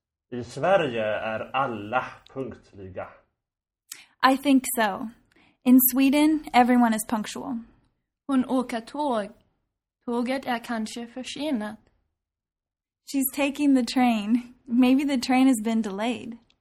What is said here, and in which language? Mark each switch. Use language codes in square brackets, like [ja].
[sv] I Sverige är alla punktliga. [en] I think so. In Sweden, everyone is punctual. [sv] Hon åker tåg. Tåget är kanske försenat. [en] She's taking the train. Maybe the train has been delayed.